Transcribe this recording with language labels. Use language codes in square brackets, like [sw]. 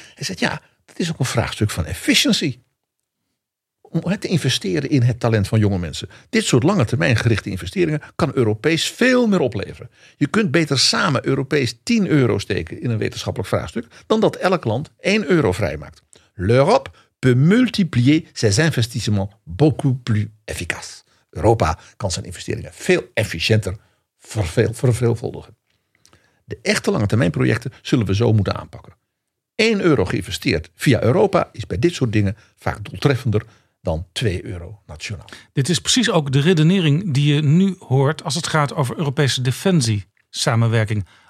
[nl] Hij zegt, ja, dat is ook een vraagstuk van efficiency. Om het te investeren in het talent van jonge mensen. Dit soort lange termijn gerichte investeringen kan Europees veel meer opleveren. Je kunt beter samen Europees 10 euro steken in een wetenschappelijk vraagstuk dan dat elk land 1 euro vrijmaakt. [fr] L'Europe peut multiplier ses investissements beaucoup plus efficace. [nl] Europa kan zijn investeringen veel efficiënter verveelvuldigen. De echte lange termijn projecten zullen we zo moeten aanpakken. 1 euro geïnvesteerd via Europa is bij dit soort dingen vaak doeltreffender dan 2 euro nationaal. Dit is precies ook de redenering die je nu hoort als het gaat over Europese defensiesamenwerking.